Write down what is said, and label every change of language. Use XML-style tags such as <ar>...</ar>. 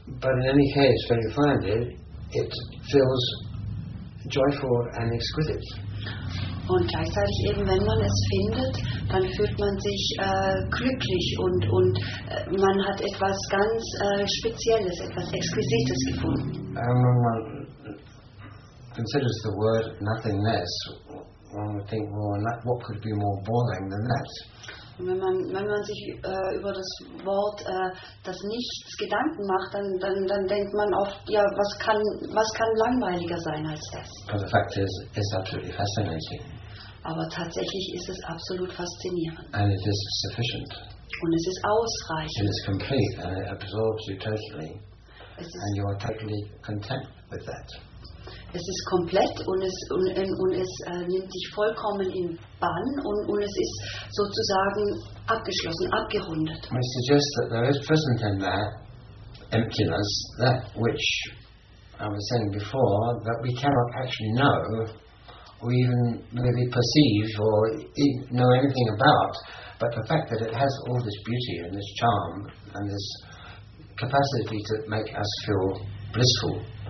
<en>But in any case, when you find it, it feels joyful and exquisite.</en> <de>Und gleichzeitig eben, wenn man es findet, dann fühlt man sich glücklich und man hat etwas ganz Spezielles, etwas Exquisites gefunden.</de> <en>Man considers the word nothingness, one would think, well, what could be more boring than that?</en> <de>Wenn man sich über das Wort das Nichts Gedanken macht, dann denkt man oft, ja, was kann langweiliger sein als das?</de> <en>But the fact is, it's absolutely fascinating.</en> <de>Aber tatsächlich ist es absolut faszinierend.</de> <en>And it is sufficient.</en> <de>Und es ist ausreichend.</de> <en>It is complete and it absorbs you totally. And you are totally content with that.</en> <de>Es ist komplett und es nimmt dich vollkommen in Bann und es ist sozusagen abgeschlossen, abgerundet.</de> <en>I suggest that there is present in that emptiness, that which I was saying before, that we cannot actually know or even maybe perceive or know anything about, but the fact that it has all this beauty and this charm and this capacity to make us feel blissful</en>